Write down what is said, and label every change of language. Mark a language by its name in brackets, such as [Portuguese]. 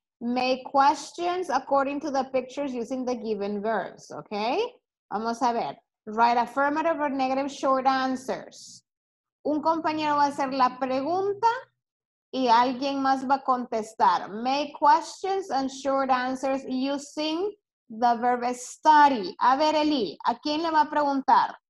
[English] Make questions according to the pictures using the given verbs, okay? [Spanish] Vamos a ver. [English] Write affirmative or negative short answers. [Spanish] Un compañero va a hacer la pregunta y alguien más va a contestar. [English] Make questions and short answers using the verb study. [Spanish] A ver, Eli, ¿a quién le va a preguntar?